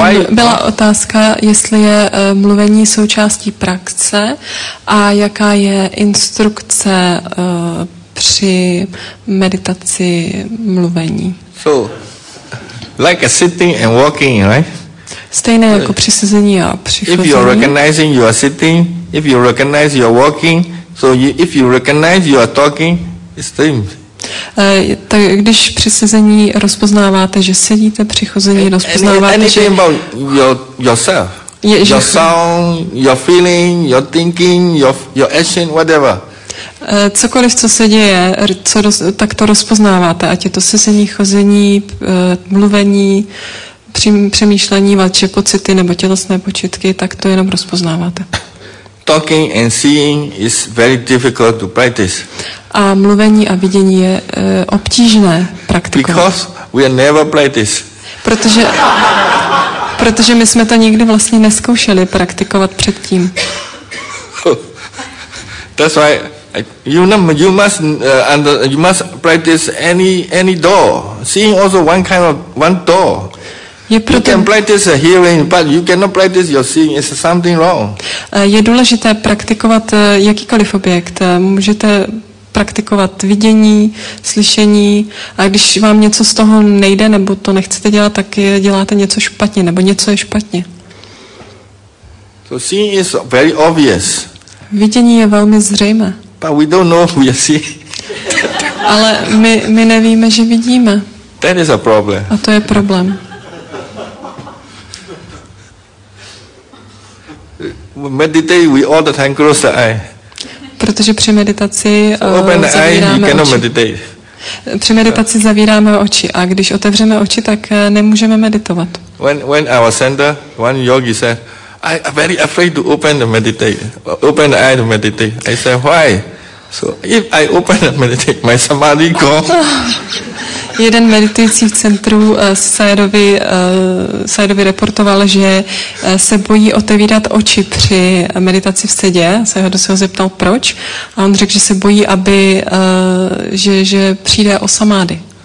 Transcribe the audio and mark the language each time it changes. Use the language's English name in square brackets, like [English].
[Czech] Byla otázka, jestli je mluvení součástí praxe a jaká je instrukce při meditaci mluvení. [English] So, like a sitting and walking, right? [Czech] Stejné jako při sezení a při chození. [English] If you're recognizing you are sitting, if you recognize you're walking, so you, if you recognize you are talking, it's the same. [Czech] Tak když při sezení rozpoznáváte, že sedíte, při chození rozpoznáváte, že... [English] Anything about yourself. Your sound, your feeling, your thinking, your action, whatever. [Czech] Cokoliv, co se děje, tak to rozpoznáváte, ať je to sezení, chození, mluvení, přemýšlení, vaše pocity nebo tělesné počitky, tak to jenom rozpoznáváte. [English] Talking and seeing is very difficult to practice. [Czech] A mluvení a vidění je obtížné praktikovat. [English] Because we have never practiced. [Czech] Protože my jsme to nikdy vlastně neskoušeli praktikovat předtím. [English] That's why you must practice any door. Seeing also one door. [Czech] Proto, [English] you can practice a hearing, but you cannot practice your seeing. It's something wrong. [Czech] Je důležité praktikovat jakýkoliv objekt. Můžete praktikovat vidění, slyšení, a když vám něco z toho nejde nebo to nechcete dělat, tak děláte něco špatně nebo něco je špatně. [English] So seeing is very obvious. [Czech] Vidění je velmi zřejmé. [English] But we don't know we see. [Czech] Ale my nevíme, že vidíme. [English] That is a problem. [Czech] A to je problém. [English] We meditate, we all the time close the eye. [Czech] Protože při meditaci zavíráme oči. Při meditaci zavíráme oči a když otevřeme oči, tak nemůžeme meditovat. [English] When our center, one yogi said, I'm very afraid to open the eye to meditate. I said, why? So if I open the meditate, my samadhi gone. [Czech] Jeden meditující v centru Sayadovi reportoval, že se bojí otevírat oči při meditaci v sedě. Sayado se ho zeptal, proč. A on řekl, že se bojí, aby že přijde o samády.